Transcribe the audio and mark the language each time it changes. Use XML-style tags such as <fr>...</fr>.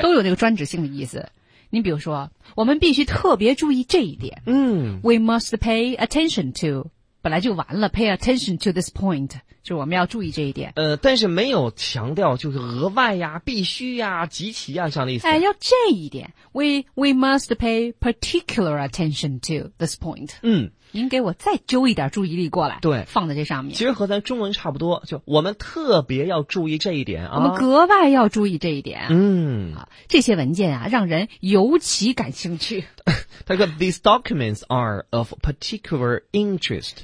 <zh>都有那个专指性的意思。你比如说，我们必须特别注意这一点。嗯</zh> <en>，We must pay attention to,</en> <zh>本来就完了</zh> <en>，pay attention to this point,</en> <zh>就我们要注意这一点。但是没有强调就是额外呀、必须呀、极其呀这样的意思。哎，要这一点。</zh> <en>We must pay particular attention to this point.</en> <zh>您给我再揪一点注意力过来。对，放在这上面。其实和咱中文差不多，就我们特别要注意这一点啊。我们格外要注意这一点。嗯，这些文件啊，让人尤其感兴趣。他说</zh> <en>，These documents are of particular interest.</en>